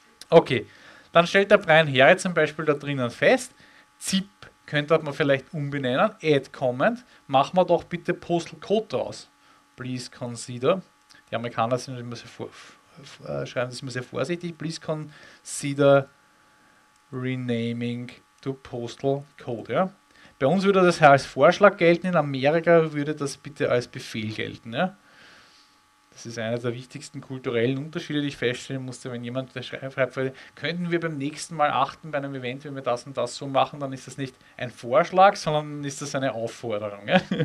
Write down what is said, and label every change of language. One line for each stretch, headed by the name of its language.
German: Okay, dann stellt der Brian Herre zum Beispiel da drinnen fest, ZIP könnte man vielleicht umbenennen, Add Comment, machen wir doch bitte Postal Code draus.
English: Please consider.
German: Die Amerikaner sind immer so schreiben das immer sehr vorsichtig.
English: Please consider renaming to postal code.
German: Ja? Bei uns würde das als Vorschlag gelten, in Amerika würde das bitte als Befehl gelten. Ja? Das ist einer der wichtigsten kulturellen Unterschiede, die ich feststellen musste, wenn jemand schreibt, könnten wir beim nächsten Mal achten bei einem Event, wenn wir das und das so machen, dann ist das nicht ein Vorschlag, sondern ist das eine Aufforderung. Ja?